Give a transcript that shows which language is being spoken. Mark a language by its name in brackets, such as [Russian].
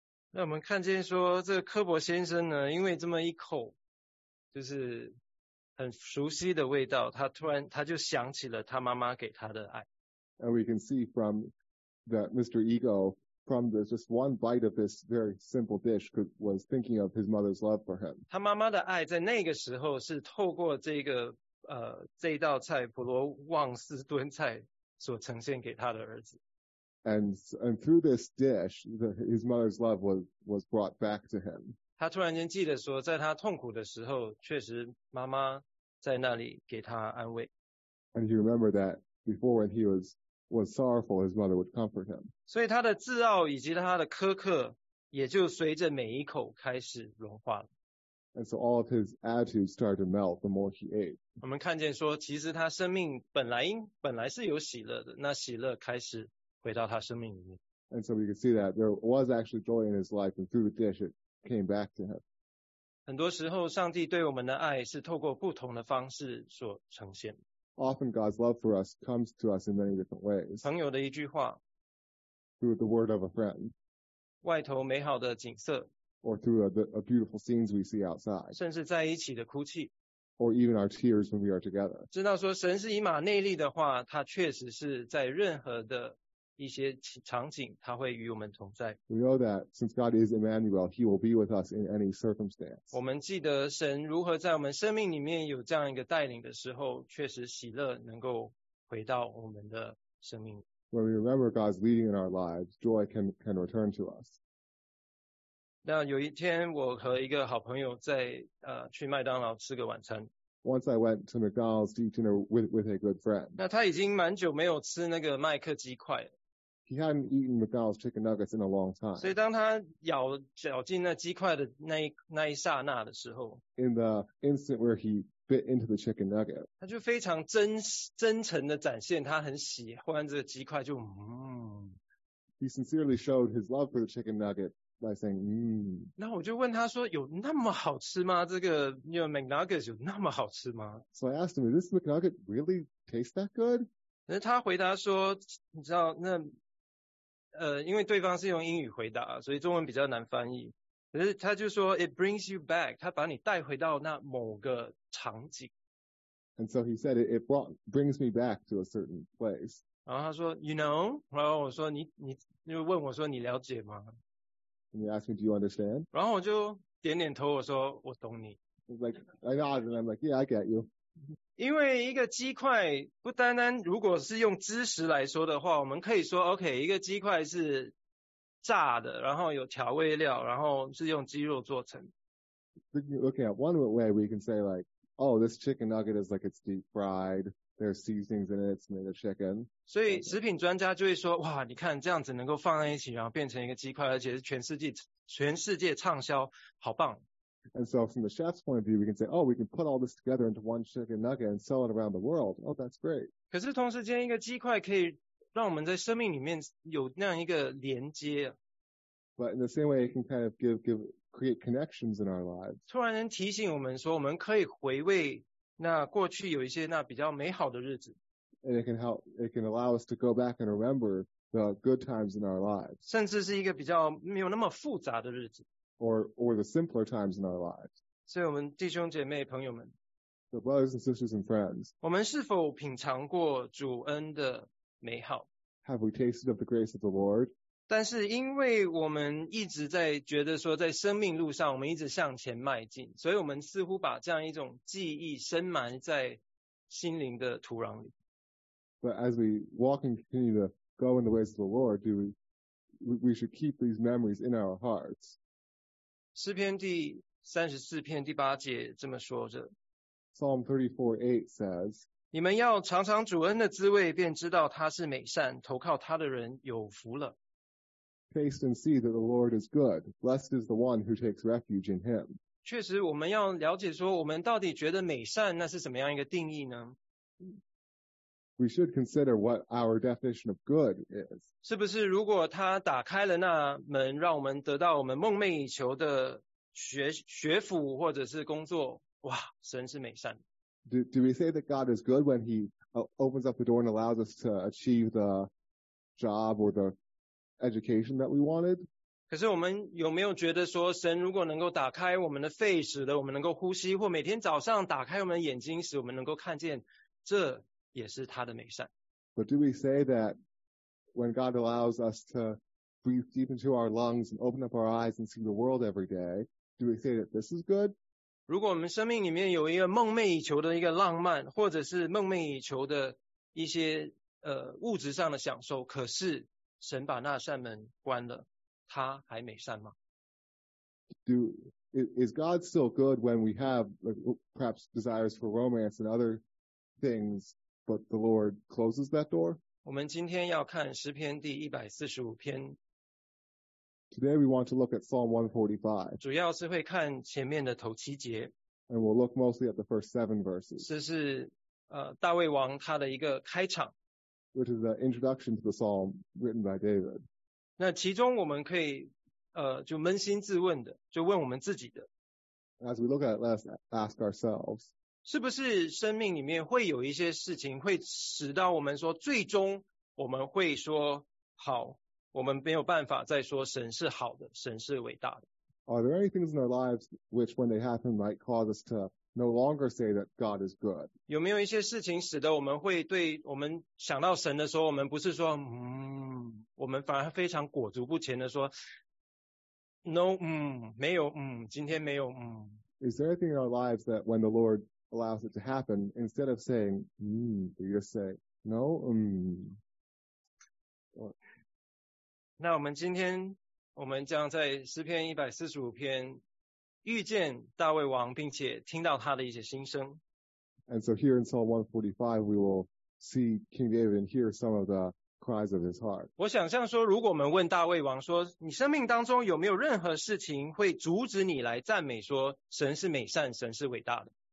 [Chinese] 那我们看见说，这个科博先生呢，因为这么一口，就是很熟悉的味道，他就想起了他妈妈给他的爱。 [English] And we can see from that Mr. Ego, from this just one bite of this very simple dish, was thinking of his mother's love for him. [Chinese] 他妈妈的爱在那个时候是透过这个这道菜普罗旺斯顿菜所呈现给他的儿子。 [English] And through this dish, his mother's love was brought back to him. [Chinese] 他突然间记得说，在他痛苦的时候，确实妈妈在那里给他安慰。 [English] And he remembered that before when he was sorrowful, his mother would comfort him. [Chinese] 所以他的自傲以及他的苛刻，也就随着每一口开始融化了。 [English] And so all of his attitudes started to melt the more he ate. [Chinese] 我们看见说，其实他生命本来是有喜乐的，那喜乐开始回到他生命里面。 [English] And so we can see that there was actually joy in his life, and through the dish it came back to him. [Chinese] 很多时候，上帝对我们的爱是透过不同的方式所呈现。 [English] Often God's love for us comes to us in many different ways. [Chinese] 朋友的一句话。 [English] Through the word of a friend. [Chinese] 外头美好的景色。 [English] Or through the beautiful scenes we see outside. [Chinese] 甚至在一起的哭泣。 [English] Or even our tears when we are together. [Chinese] 知道说神是以马内利的话，他确实是在任何的一些场景，他会与我们同在。 [English] We know that since God is Emmanuel, he will be with us in any circumstance. [Chinese] 我们记得神如何在我们生命里面有这样一个带领的时候，确实喜乐能够回到我们的生命。 [English] When we remember God's leading in our lives, joy can return to us. [Chinese] 那有一天我和一个好朋友在去麦当劳吃个晚餐。 [English] Once I went to McDonald's to eat dinner with a good friend. [Chinese] 那他已经蛮久没有吃那个麦克鸡块了。 [English] He hadn't eaten McDonald's chicken nuggets in a long time. [Chinese] 所以当他咬进那鸡块的那一刹那的时候。 [English] In the instant where he bit into the chicken nugget. [Chinese] 他就非常真诚的展现他很喜欢这个鸡块就 [English] He sincerely showed his love for the chicken nugget by saying, [Chinese] 那我就问他说有那么好吃吗这个 McNuggets 有那么好吃吗 [English] So I asked him, is this McNugget really taste that good? [Chinese] 那他回答说你知道那因为对方是用英语回答所以中文比较难翻译。可是他就说 [English] it brings you back, [Chinese] 他把你带回到那某个场景。 [English] And so he said, it brings me back to a certain place. [Chinese] 然后他说 [English] you know? [Chinese] 然后我说你就问我说你了解吗 [English] And he asked me, do you understand? [Chinese] 然后我就点点头我说我懂你。 [English] Like, I nod and I'm like, yeah, I get you. [Chinese] 因为一个鸡块不单单如果是用知识来说的话我们可以说 OK, 一个鸡块是炸的然后有调味料然后是用鸡肉做成。 [English] Okay, one way we can say like, oh, this chicken nugget is like it's deep fried, there's seasonings in it, it's made of chicken. [Chinese] 所以食品专家就会说哇你看这样子能够放在一起然后变成一个鸡块而且是全世界畅销好棒。 [English] And so from the chef's point of view, we can say, oh, we can put all this together into one chicken nugget and sell it around the world. Oh, that's great. [Chinese] 可是同时间一个鸡块可以让我们在生命里面有那样一个连接。 [English] But in the same way, it can kind of create connections in our lives. [Chinese] 突然能提醒我们说我们可以回味那过去有一些那比较美好的日子。 [English] And it can allow us to go back and remember the good times in our lives. [Chinese] 甚至是一个比较没有那么复杂的日子。 [English] Or the simpler times in our lives. [Chinese] 所以我们弟兄姐妹朋友们。 [English] So brothers and sisters and friends. [Chinese] 我们是否品尝过主恩的美好? [English] Have we tasted of the grace of the Lord? [Chinese] 但是因为我们一直在觉得说在生命路上我们一直向前迈进所以我们似乎把这样一种记忆深埋在心灵的土壤里。 [English] But as we walk and continue to go in the ways of the Lord, we should keep these memories in our hearts. [Chinese] 诗篇第34篇第8节这么说着。 [English] Psalm 34:8 says, [Chinese] 你们要尝尝主恩的滋味便知道他是美善投靠他的人有福了。 [English] Taste and see that the Lord is good. Blessed is the one who takes refuge in him. [Chinese] 确实我们要了解说我们到底觉得美善那是什么样一个定义呢 [English] We should consider what our definition of good is. [Chinese] 是不是如果他打开了那门让我们得到我们梦寐以求的学府或者是工作哇，神是美善。 [English] Do we say that God is good when he opens up the door and allows us to achieve the job or the education that we wanted? [Chinese] 可是我们有没有觉得说，神如果能够打开我们的肺，使得我们能够呼吸，或每天早上打开我们的眼睛，使我们能够看见，这也是他的美善。 [English] But do we say that when God allows us to breathe deep into our lungs and open up our eyes and see the world every day, do we say that this is good? [Chinese] 如果我们生命里面有一个梦寐以求的一个浪漫，或者是梦寐以求的一些物质上的享受，可是神把那扇门关了，他还美善吗？ [English] Is God still good when we have perhaps desires for romance and other things, but the Lord closes that door? [Chinese] 我们今天要看诗篇第145篇。 [English] Today we want to look at Psalm 145. [Chinese] 主要是会看前面的头七节。 [English] And we'll look mostly at the first seven verses. [Chinese] 这是大卫王他的一个开场。 [English] Which is the introduction to the psalm written by David. [Chinese] 那其中我们可以就扪心自问的，就问我们自己的。 [English] As we look at it, let's ask ourselves. [Chinese] 是不是生命里面会有一些事情会使到我们说，最终我们会说好，我们没有办法再说神是好的，神是伟大的。 [English] Are there any things in our lives which, when they happen, might cause us to no longer say that God is good? [Chinese] 有没有一些事情使得我们会对我们想到神的时候，我们不是说我们反而非常裹足不前的说 ，No， 没有，今天没有， [English] Is there anything in our lives that, when the Lord allows it to happen, instead of saying we just say no， [Chinese] 那我们今天我们将在诗篇145篇遇见大卫王，并且听到他的一些心声。 [English] And so here in Psalm 145, we will see King David and hear some of the cries of his heart. [Chinese] 我想象说，如果我们问大卫王说，你生命当中有没有任何事情会阻止你来赞美说神是美善，神是伟大的？